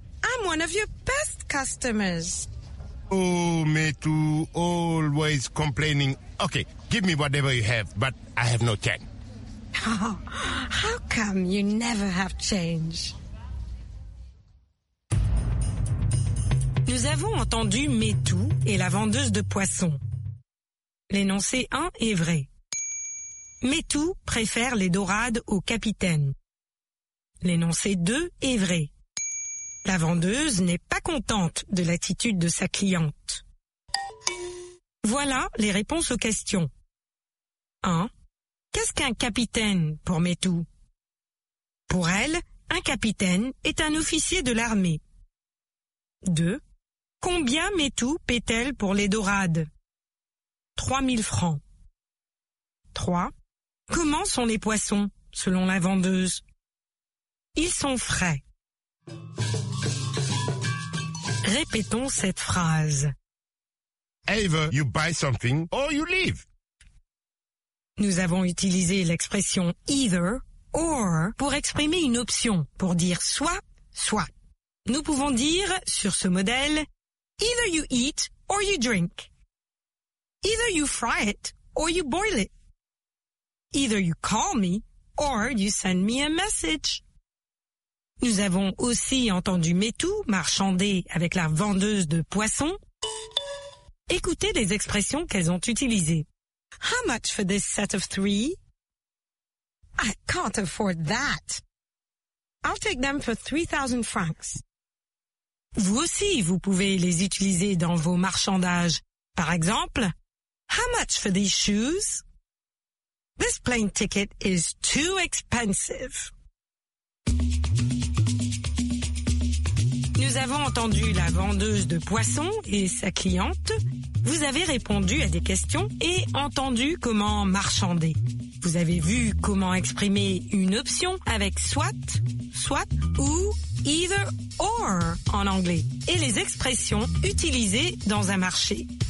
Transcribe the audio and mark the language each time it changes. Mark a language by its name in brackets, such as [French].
[English] I'm one of your best customers. Oh, Metou, always complaining. Okay, give me whatever you have, but I have no change. Oh, how come you never have change? [French] Nous avons entendu Metou et la vendeuse de poissons. L'énoncé 1 est vrai. Metou préfère les dorades au capitaine. L'énoncé 2 est vrai. La vendeuse n'est pas contente de l'attitude de sa cliente. Voilà les réponses aux questions. 1. Qu'est-ce qu'un capitaine pour Metou? Pour elle, un capitaine est un officier de l'armée. 2. Combien Metou paie-t-elle pour les dorades? 3000 francs. 3. Comment sont les poissons, selon la vendeuse? Ils sont frais. Répétons cette phrase. [English] Either you buy something or you leave. [French] Nous avons utilisé l'expression either or pour exprimer une option, pour dire soit, soit. Nous pouvons dire, sur ce modèle, [English] either you eat or you drink. Either you fry it or you boil it. Either you call me or you send me a message. [French] Nous avons aussi entendu Metou marchander avec la vendeuse de poissons. Écoutez les expressions qu'elles ont utilisées. [English] How much for this set of three? I can't afford that. I'll take them for 3,000 francs. [French] Vous aussi, vous pouvez les utiliser dans vos marchandages. Par exemple, [English] how much for these shoes? This plane ticket is too expensive. [French] Nous avons entendu la vendeuse de poissons et sa cliente. Vous avez répondu à des questions et entendu comment marchander. Vous avez vu comment exprimer une option avec soit, swap ou either or en anglais et les expressions utilisées dans un marché.